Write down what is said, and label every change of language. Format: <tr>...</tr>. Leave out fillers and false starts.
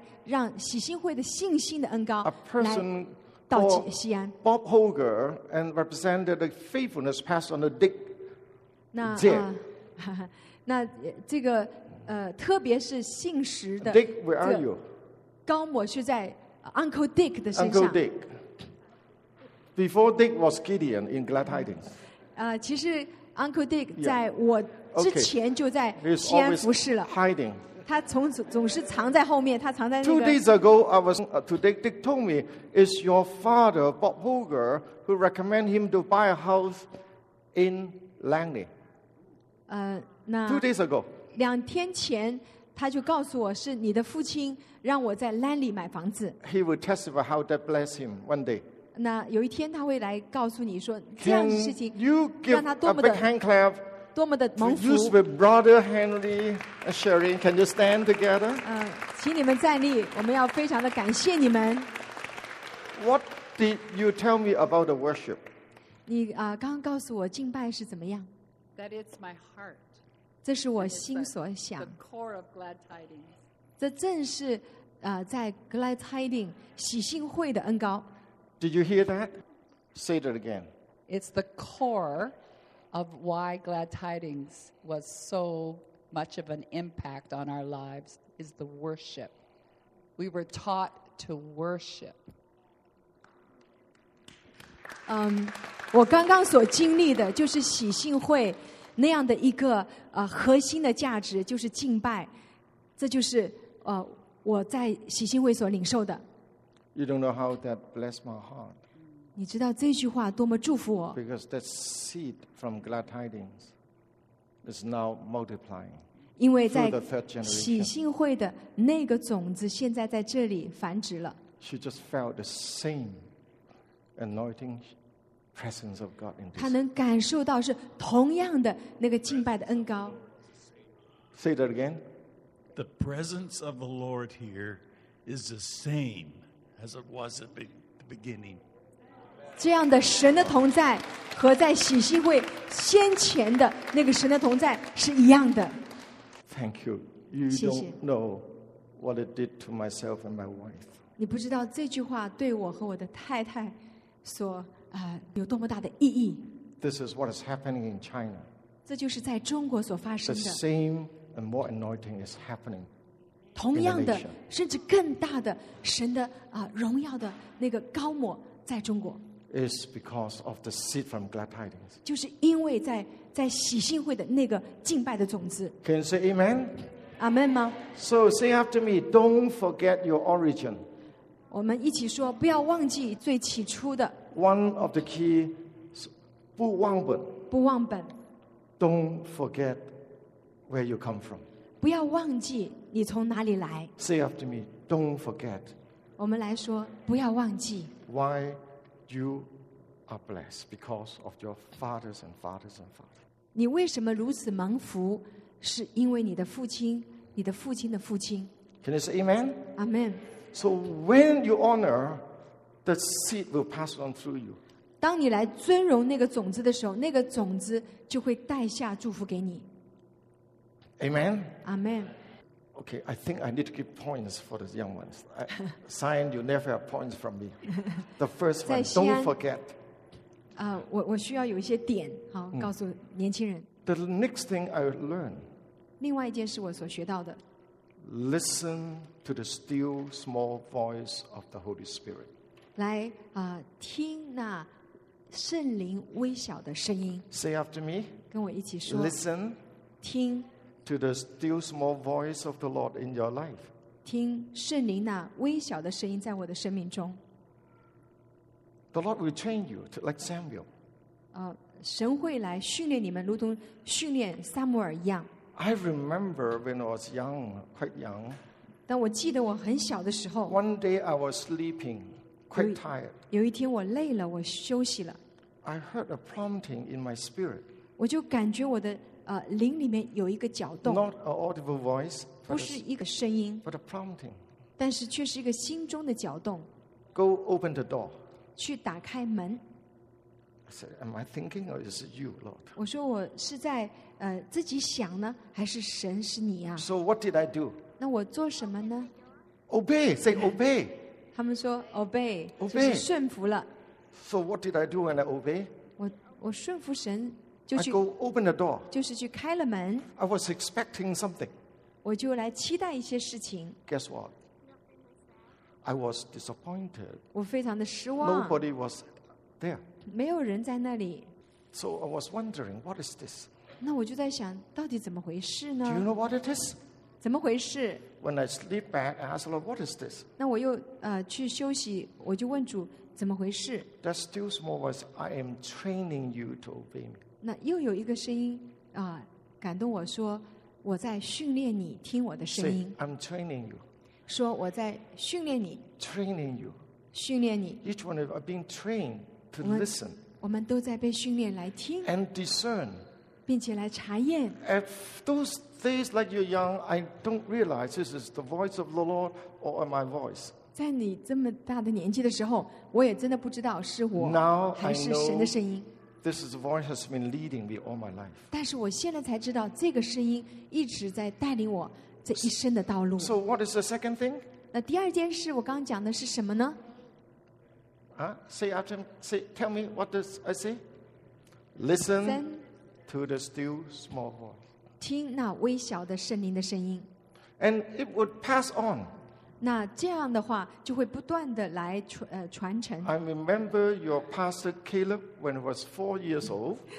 <zh>在星期二的祷告会上，大家记得，我呢就跟大家说，我要来让喜信会的信心的恩膏来到西安。</zh> <en>A person called Bob Holger and represented the faithfulness passed on to Dick Zier.</en> <zh>那这个特别是信实的</zh> <en>Dick, where are you?</en> <zh>高某是在 Uncle Dick 的身上。</zh> <en>Uncle Dick. Before Dick was Gideon in Glad Tidings.</en> <zh>其实 Uncle Dick 在我之前就在西安服侍了。</zh> <en>Hiding.</en> <zh>他总是藏在后面，他藏在那个。</zh> <en>Two days ago, I was to Dick. Dick told me, "It's your father, Bob Holger, who recommend him to buy a house in Langley."</en> <zh>那</zh> <en>Two days ago.</en> <zh>两天前，他就告诉我是你的父亲让我在 Langley 买房子。</zh> <en>He will testify how that blessed him one day.</en> <zh>那有一天他会来告诉你说这样的事情，让他多么的。</zh> <en>Can you give a big hand clap</en> <zh>多么的蒙福。</zh> <en>Use with Brother Henry and Sharon. Can you stand together?</en> <zh>请你们站立。我们要非常的感谢你们。</zh> <en>What did you tell me about the worship?</en> <zh>你刚刚告诉我敬拜是怎么样</zh> <en>？That it's my heart.</en> <zh>这是我心所想。</zh> <en>The core of glad tidings.</en> <zh>这正是在 glad tidings 喜信会的恩膏。</zh> <en>Did you hear that? Say that again. It's the core. Of why glad tidings was so much of an impact on our lives is the worship. We were taught to worship.</en> <zh>我刚刚所经历的就是喜信会那样的一个核心的价值就是敬拜，这就是我在喜信会所领受的。</zh> <en>You don't know how that blessed my heart.</en> <zh>你知道这句话多么祝福我</zh> <en>？Because that seed from glad tidings is now multiplying.</en> <zh>因为在喜信会的那个种子现在在这里繁殖了。</zh> <en>She just felt the same anointing presence of God in this.</en> <zh>她能感受到是同样的那个敬拜的恩膏。</zh> <en>Say that again. The presence of the Lord here is the same as it was at the beginning.</en> <zh>这样的神的同在和在喜信会先前的那个神的同在是一样的。</zh> <en>Thank you. You don't know what it did to myself and my wife.</en> <zh>你不知道这句话对我和我的太太所有多么大的意义。</zh> <en>This is what is happening in China.</en> <zh>这就是在中国所发生的。</zh> <en>The same and more anointing is happening.</en> <zh>同样的，甚至更大的神的荣耀的那个高抹在中国。</zh> <en>Is because of the seed from glad tidings.</en> <zh>就是因为在喜信会的那个敬拜的种子。</zh> <en>Can you say amen?</en> <zh>Amen 吗</zh> <en>？So say after me. Don't forget your origin.</en> <zh>我们一起说，不要忘记最起初的。</zh> <en>One of the key,</en> <zh>不忘本。不忘本。</zh> <en>Don't forget where you come from.</en> <zh>不要忘记你从哪里来。</zh> <en>Say after me. Don't forget.</en> <zh>我们来说，不要忘记。</zh> <en>Why? You are blessed because of your fathers and fathers and fathers.</en> <zh>你为什么如此蒙福？是因为你的父亲，你的父亲的父亲。</zh> <en>Can you say amen? Amen. So when you honor, the seed will pass on through you.</en> <zh>当你来尊荣那个种子的时候，那个种子就会带下祝福给你。</zh> <en>Amen. Amen. Okay, I think I need to give points for the young ones. Sign, you never have points from me. The first one, don't forget.</en> <zh>我需要有一些点，好，告诉年轻人。</zh> <en>The next thing I learn.</en> <zh>另外一件是我所学到的。</zh> <en>Listen to the still small voice of the Holy Spirit.</en> <zh>来听那圣灵微小的声音。</zh> <en>Say after me.</en> <zh>跟我一起说。</zh> <en>Listen.</en> <zh>听。</zh> <en>To the still small voice of the Lord in your life.</en> <zh>听圣灵那微小的声音在我的生命中。</zh> <en>The Lord will train you to, like Samuel.</en> <zh>神会来训练你们，如同训练撒母耳一样。</zh> <en>I remember when I was young, quite young.</en> <zh>但我记得我很小的时候。</zh> <en>One day I was sleeping, quite tired.</en> <zh>有一天我累了，我休息了。</zh> <en>I heard a prompting in my spirit.</en> <zh>我就感觉我的灵里面有一个搅动</zh> <en>Not an audible voice,</en> <zh>不是一个声音</zh> <en>but a prompting.</en> <zh>但是却是一个心中的搅动</zh> <en>Go open the door.</en> <zh>去打开门</zh> <en>I said, am I thinking or is it you, Lord?</en> <zh>我说我是在自己想呢还是神是你啊</zh> <en>So what did I do?</en> <zh>那我做什么呢</zh> <en>Obey, say obey.</en> <zh>他们说</zh> <en>obey, obey.</en> <zh>就是顺服了</zh> <en>So what did I do when I obey?</en> <zh>我顺服神</zh> <en>I go open the door.</en> <zh>就是去开了门。</zh> <en>I was expecting something.</en> <zh>我就来期待一些事情。</zh> <en>Guess what? I was disappointed.</en> <zh>我非常的失望。</zh> <en>Nobody was there.</en> <zh>没有人在那里。</zh> <en>So I was wondering, what is this?</en> <zh>那我就在想，到底怎么回事呢？</zh> <en>Do you know what it is?</en> <zh>怎么回事？</zh> <en>When I sleep back, I ask the Lord, what is this?</en> <zh>那我又去休息，我就问主怎么回事。</zh> <en>That still small voice, I am training you to obey me.</en> <zh>那又有一个声音感动我说我在训练你听我的声音</zh> <en>Say, I'm training you</en> <zh>说我在训练你</zh> <en>training you</en> <zh>训练你</zh> <en>each one of us being trained to listen</en> <zh>我们都在被训练来听</zh> <en>and discern</en> <zh>并且来查验。</zh> <en>At those days, like you're young, I don't realize this is the voice of the Lord or my voice.</en> <zh>在你这么大的年纪的时候，我也真的不知道是我还是神的声音。</zh> <en>Now I know this is the voice has been leading me all my life.</en> <zh>但是我现在才知道，这个声音一直在带领我这一生的道路。</zh> <en>So what is the second thing?</en> <zh>那第二件事，我刚讲的是什么呢？</zh> <en>Say after, say, tell me what does I say? Listen to the still small voice.</en> <zh>听那微小的圣灵的声音。</zh> <en>And it would pass on.</en> <zh>那这样的话就会不断的来传承。</zh> <en>I remember your pastor Caleb when he was 4 years old.</en>